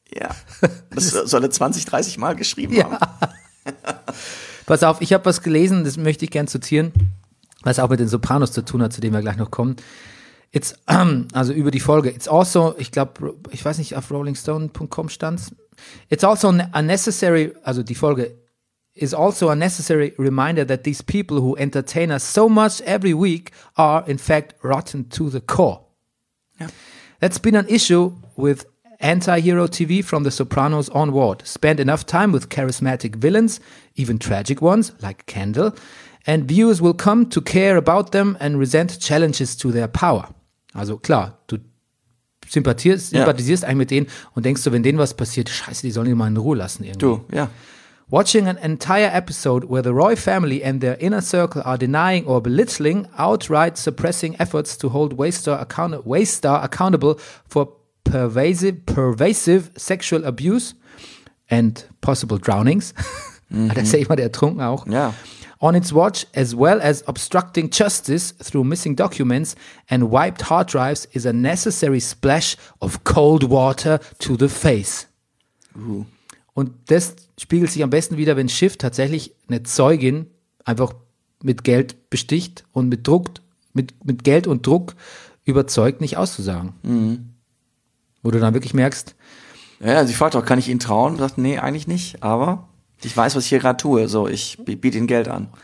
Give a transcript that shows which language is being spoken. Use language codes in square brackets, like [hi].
[de] Ja, das soll er 20, 30 Mal geschrieben haben. Pass auf, ich habe was gelesen, das möchte ich gern zitieren, was auch mit den Sopranos zu tun hat, zu dem wir gleich noch kommen. Also über die Folge. [en] It's also, [de] ich glaube, ich weiß nicht, auf rollingstone.com stand's. [en] It's also a necessary, [de] also die Folge, [en] is also a necessary reminder that these people who entertain us so much every week are in fact rotten to the core. Yeah. That's been an issue with anti-hero TV from The Sopranos onward. Spend enough time with charismatic villains, even tragic ones like Kendall, and viewers will come to care about them and resent challenges to their power. [de] Also klar, du sympathisierst eigentlich mit denen und denkst so, wenn denen was passiert, scheiße, die sollen die mal in Ruhe lassen irgendwie. Du, ja. [en] Watching an entire episode where the Roy family and their inner circle are denying or belittling outright suppressing efforts to hold Waystar accountable for pervasive sexual abuse and possible drownings. Mm-hmm. [de] Da ist ja immer der Ertrunken auch. [en] Yeah. On its watch, as well as obstructing justice through missing documents and wiped hard drives, is a necessary splash of cold water to the face. Ooh. [de] Und das spiegelt sich am besten wieder, wenn Schiff tatsächlich eine Zeugin einfach mit Geld besticht und mit Geld und Druck überzeugt, nicht auszusagen. Mhm. Wo du dann wirklich merkst. Ja, sie fragt auch, kann ich ihnen trauen? Sagt, nee, eigentlich nicht, aber ich weiß, was ich hier gerade tue, so, ich biete ihnen Geld an.